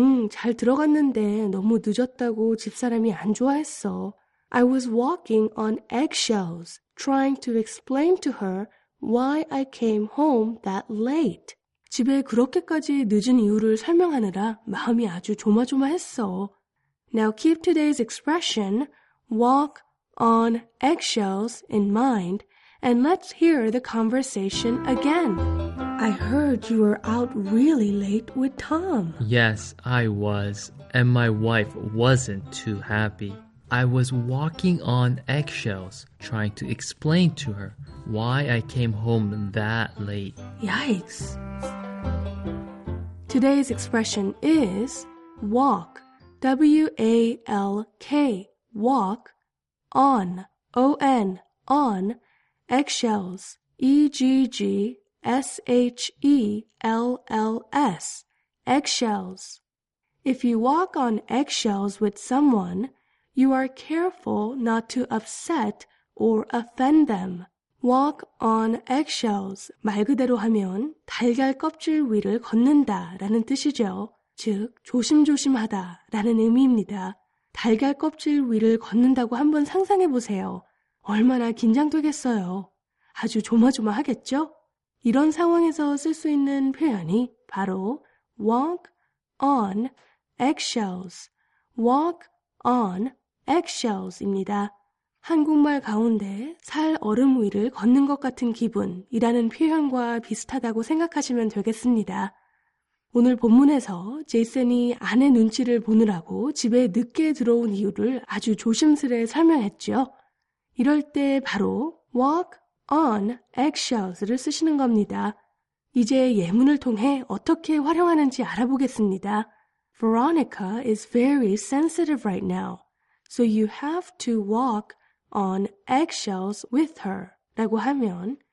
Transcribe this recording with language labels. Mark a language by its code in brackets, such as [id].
[ko] 잘 들어갔는데 너무 늦었다고 집사람이 안 좋아했어. [en] I was walking on eggshells, trying to explain to her why I came home that late. [ko] 집에 그렇게까지 늦은 이유를 설명하느라 마음이 아주 조마조마했어. [en] Now keep today's expression, walk on eggshells, in mind, and let's hear the conversation again. I heard you were out really late with Tom. Yes, I was, and my wife wasn't too happy. I was walking on eggshells, trying to explain to her why I came home that late. Yikes! Today's expression is walk, W-A-L-K, walk, on, O-N, on, eggshells, E-G-G-S-H-E-L-L-S, eggshells. If you walk on eggshells with someone, you are careful not to upset or offend them. Walk on eggshells. [ko] 말 그대로 하면 달걀 껍질 위를 걷는다 라는 뜻이죠. 즉, 조심조심하다 라는 의미입니다. 달걀 껍질 위를 걷는다고 한번 상상해 보세요. 얼마나 긴장되겠어요. 아주 조마조마하겠죠? 이런 상황에서 쓸 수 있는 표현이 바로 [en] walk on eggshells. walk on eggshells입니다. [ko] 한국말 가운데 살 얼음 위를 걷는 것 같은 기분이라는 표현과 비슷하다고 생각하시면 되겠습니다. 오늘 본문에서 제이슨이 아내 눈치를 보느라고 집에 늦게 들어온 이유를 아주 조심스레 설명했죠. 이럴 때 바로 [en] walk on eggshells를 [ko] 쓰시는 겁니다. 이제 예문을 통해 어떻게 활용하는지 알아보겠습니다. [en] Veronica is very sensitive right now, so you have to walk on eggshells with her [ko] 라고 하면